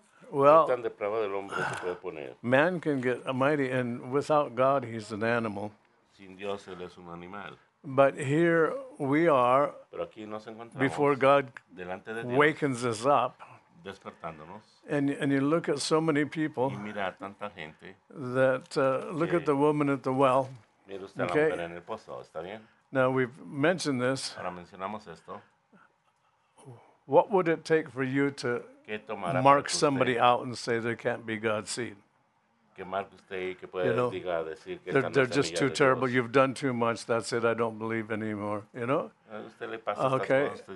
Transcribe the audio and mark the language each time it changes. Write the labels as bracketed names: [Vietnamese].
[English] Well, man can get a mighty, and without God, he's an animal. [Spanish] Sin Dios, él es un animal. [English] But here we are, [Spanish] pero aquí nos encontramos [English] before God [Spanish] delante de Dios, [English] wakens us up, [Spanish] despertándonos, [English] and you look at so many people, [Spanish] y mira tanta gente, [English] that look at the woman at the well. [Spanish] Mira usted, okay? La mujer en el pozo, ¿está bien? [English] Now we've mentioned this. [Spanish] Ahora mencionamos esto. [English] What would it take for you to mark somebody out and say there can't be God's seed? You know, they're just too terrible. You've done too much. That's it. I don't believe anymore. You know? Okay.